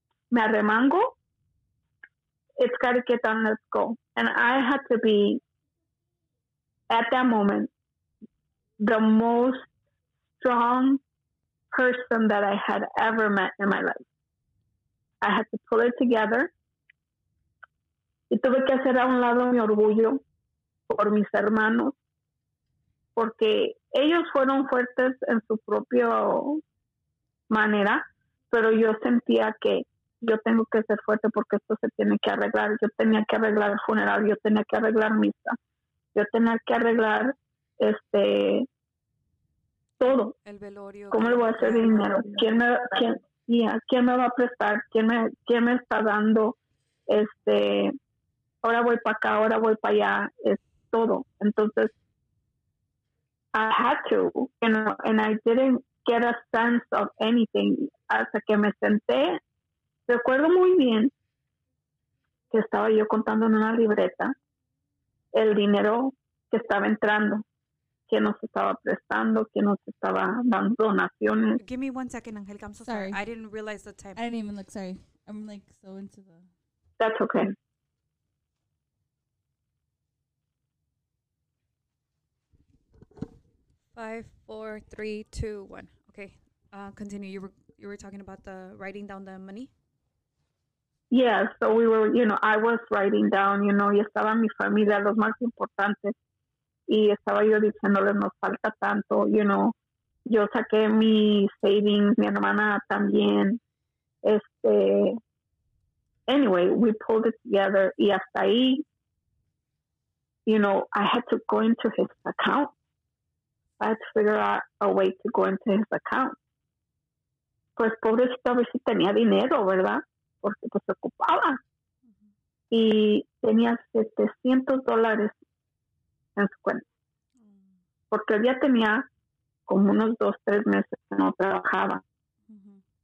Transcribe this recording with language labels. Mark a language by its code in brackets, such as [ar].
[es] Me arremango, [en] it's got to get done, let's go. And I had to be, at that moment, the most strong person that I had ever met in my life. I had to pull it together. [es] Y tuve que hacer a un lado mi orgullo por mis hermanos. Porque ellos fueron fuertes en su propia manera, pero yo sentía que yo tengo que ser fuerte porque esto se tiene que arreglar. Yo tenía que arreglar el funeral, yo tenía que arreglar misa, yo tenía que arreglar todo. El velorio. ¿Cómo le voy a hacer dinero? ¿Quién me va a prestar? ¿Quién me está dando? Ahora voy para acá, ahora voy para allá. Es todo. [en] Entonces, I had to, you know, and I didn't get a sense of anything [es] hasta que me senté. Recuerdo muy bien que estaba yo contando en una libreta el dinero que estaba entrando, que nos estaba prestando, que nos estaba dando donaciones. [en] Give me 1 second, Angelica. I'm so sorry. I didn't realize the time. I didn't even look, sorry. I'm like so into the... That's okay. Five, four, three, two, one. Okay, continue. You were talking about the writing down the money? Yeah, so we were, you know, I was writing down, you know, [es] y estaba mi familia, los más importantes, y estaba yo diciéndoles, nos falta tanto, [en] you know. [es] Yo saqué mi savings, mi hermana también. [en] Anyway, we pulled it together, [es] y hasta ahí, [en] you know, I had to go into his account. I had to figure out a way to go into his account. [es] Pues pobrecito, a ver si tenía dinero, ¿verdad? Porque pues ocupaba. Mm-hmm. Y tenía $700 en su cuenta. Mm-hmm. Porque ya tenía como unos 2-3 meses que no trabajaba. Mm-hmm.